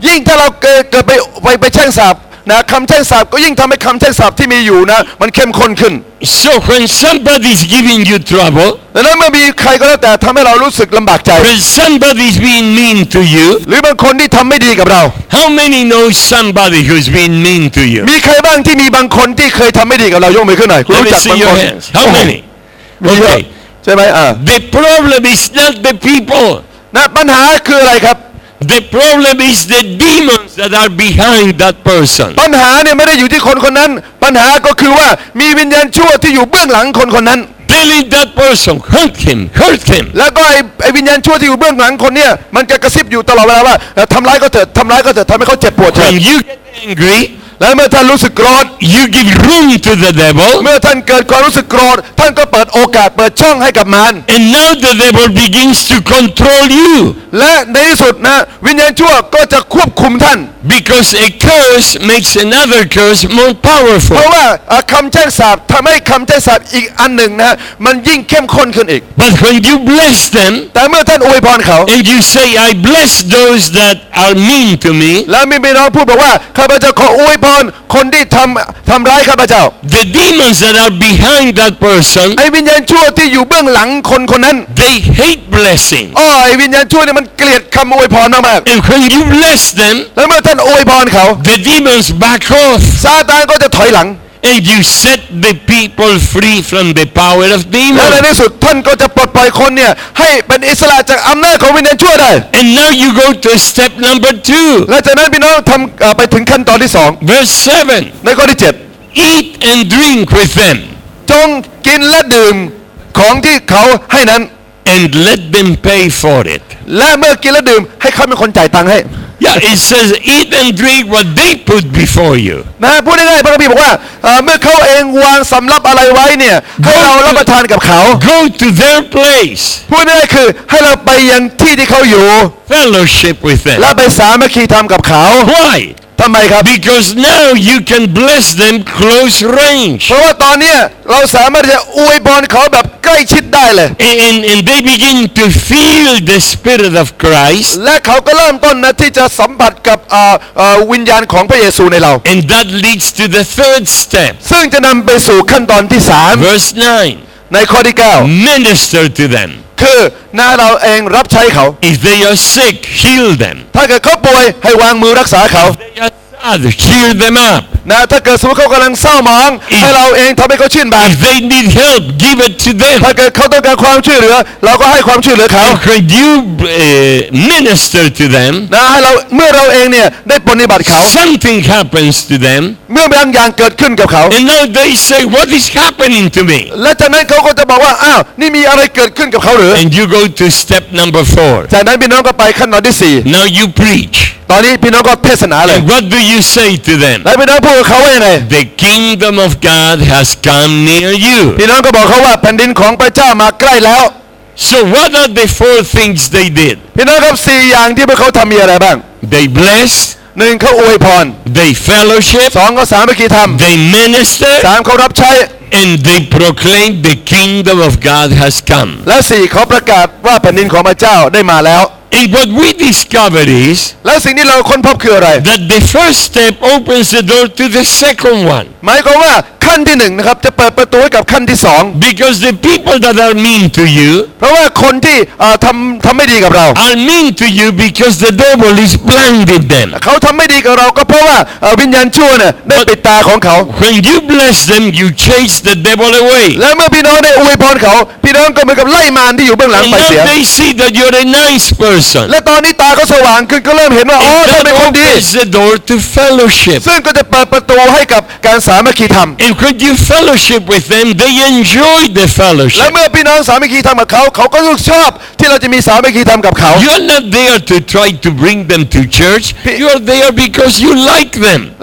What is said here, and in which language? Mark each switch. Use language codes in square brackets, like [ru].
[th] ยิ่งถ้าเราเกิดไปแช่งสาปนะคำแช่งสาปก็ยิ่งทำให้คำแช่งสาปที่มีอยู่นะมันเข้มข้นขึ้น [en] So when somebody is giving you trouble. [th] แล้วเมื่อมีใครก็แล้วแต่ทำให้เรารู้สึกลำบากใจ [en] But somebody is being mean to you [th] หรือบางคนที่ทำไม่ดีกับเรา [en] How many know somebody who's been mean to you [th] มีใครบ้างที่มีบางคนที่เคยทำไม่ดีกับเรายกมือขึ้นหน่อยรู้จักบางคน [en] How many [th] Okay ใช่ไหม [en] The problem is not the people [th] นะปัญหาคืออะไรครับ [en] The problem is the demons that are behind that person. [th] ปัญหาเนี่ยไม่ได้อยู่ที่คนคนนั้นปัญหาก็คือว่ามีวิญญาณชั่วที่อยู่เบื้องหลังคนคนนั้น [en] Telling that person hurt him, hurt him. [th] แล้วก็ไอ้วิญญาณชั่วที่อยู่เบื้องหลังคนเนี่ยมันจะกระซิบอยู่ตลอดเวลาว่าทำร้ายก็เถอะทำร้ายก็เถอะทำให้เขาเจ็บปวดเถอะ [en] When you get angry, [th] แล้วเมื่อท่านรู้สึกโกรธ [en] you give room to the devil. [th] เมื่อท่านเกิดความรู้สึกโกรธท่านก็เปิดโอกาสเปิดช่องให้กับมัน [en] And now the devil begins to control you. [th] และในที่สุดนะวิญญาณชั่วก็จะควบคุมท่าน [en] because a curse makes another curse more powerful [th] เพราะว่าคำแช่งสาปทำให้คำแช่งสาปอีกอันหนึ่งนะมันยิ่งเข้มข้นขึ้นอีก [en] but when you bless them [th] แต่เมื่อท่านอวยพรเขา [en] and you say I bless those that are mean to me [th] แล้วมีพี่น้องพูดบอกว่าข้าพเจ้าขออวยพรคนที่ทำร้ายข้าพเจ้า [en] the demons that are behind that person [th] ไอ้วิญญาณชั่วที่อยู่เบื้องหลังคนคนนั้น [en] they hate blessing [th] อ๋อไอ้วิญญาณชั่วมันเกลียดคำอวยพรมากๆ [en] And when you bless them [th] แล้วเมื่อท่านอวยพรเขา [en] The demons back off [th] ซาตานก็จะถอยหลัง [en] And you set the people free from the power of demons [th] และในที่สุดท่านก็จะปลดปล่อยคนเนี่ยให้เป็นอิสระจากอำนาจของวิญญาณชั่วได้ [en] And now you go to step number 2 [th] และจากนั้นพี่น้องทำไปถึงขั้นตอนที่2 [en] Verse 7 [th] ในข้อที่7 [en] Eat and drink with them [th] จงกินและดื่มของที่เขาให้นั้น [en] And let them pay for it. [th] และเมื่อกินและดื่มให้เขาเป็นคนจ่ายตังค์ให้ [en] Yeah, it says eat and drink what they put before you. [th] นะพูดง่ายๆพระคัมภีร์บอกว่าเมื่อเขาเองวางสำรับอะไรไว้เนี่ยให้เรารับประทานกับเขา [en] Go to their place. [th] พูดง่ายๆคือให้เราไปยังที่ที่เขาอยู่ [en] Fellowship with them. [th] และไปสามัคคีธรรมกับเขา [en] Why? [th] เ ทำไมครับ [en] Because now you can bless them close range [th] เพราะว่าตอนนี้เราสามารถจะอวยพรเขาแบบใกล้ชิดได้เลย [en] And they begin to feel the spirit of Christ [th] และเขาก็เริ่มต้นนะที่จะสัมผัสกับวิญญาณของพระเยซูในเรา [en] And that leads to the third step [th] ซึ่งจะนำไปสู่ขั้นตอนที่3 [en] Verse 9 [th] ในข้อที่9 [en] Minister to them [th] คือน้าเราเองรับใช้เขา [en] If they are sick, heal them. [th] ถ้าเกิดเขาป่วยให้วางมือรักษาเขา [en] heal them up. [th] นะถ้าเกิดสมมติเขากำลังเศร้าหมองให้เราเองทำให้เขาชื่นบาน [en] If they need help, give it to them. [th] ถ้าเกิดเขาต้องการความช่วยเหลือเราก็ให้ความช่วยเหลือเขา [en] Can you minister to them? [th] นะให้เราเมื่อเราเองเนี่ยได้ปฏิบัติเขา [en] Something happens to them. [th] เมื่อบางอย่างเกิดขึ้นกับเขา [en] And now they say, what is happening to me? [th] และจากนั้นเขาก็จะบอกว่าอ้าวนี่มีอะไรเกิดขึ้นกับเขาหรือ [en] And you go to step number 4. [th] จากนั้นพี่น้องก็ไปขั้นตอนที่ 4. [en] Now you preach. [th] ตอนนี้พี่น้องก็เทศนาเลย [en] And what do you say to them? [th] แล้วพี่น้องพูดกับเขาว่าไง [en] The kingdom of God has come near you. [th] พี่น้องก็บอกเขาว่าแผ่นดินของพระเจ้ามาใกล้แล้ว [en] So what are the four things they did? [th] พี่น้องครับ4อย่างที่พวกเขาทำมีอะไรบ้าง [en] They blessed. [th] 1เขาอวยพร [en] They fellowship. [th] 2เขาสามัคคีธรรม [en] They minister. [th] 3เขารับใช้ [en] And they proclaim the kingdom of God has come. [th] และ4เขาประกาศว่าแผ่นดินของพระเจ้าได้มาแล้ว [en] And what we discovered is [th] แล้วสิ่งที่เราค้นพบคืออะไร [en] that the first step opens the door to the second one [th] หมายความว่าขั้นที่1นะครับจะเปิดประตูให้กับขั้นที่2 [en] because the people that are mean to you [th] เพราะว่าคนที่ทำไม่ดีกับเรา [en] are mean to you because the devil is blinded them [th] เขาทำไม่ดีกับเราก็เพราะว่าวิญญาณชั่วน่ะได้ปิดตาของเขา [en] when you bless them you chase the devil away [th] แล้วเมื่อพี่น้องได้อวยพรเขาพี่น้องก็เหมือนกับไล่มารที่อยู่เบื้องหลังไปเสีย [en] and they see that you're a nice person [th] และตอนนี้ตาก็สว่างขึ้นก็เริ่มเห็นว่าอ๋อท่านเป็นคนดี [en] the door to fellowship [th] ซึ่งก็จะเปิดประตูให้กับการสามัคคีธรรม [en] And when you fellowship with them they enjoy the fellowship [th] และเมื่อพี่น้องสามัคคีธรรมกับเขาเขาก็รู้ชอบที่เราจะมีสามัคคีธรรมกับเขา [en] You're not there to try to bring them to church You're there because you like them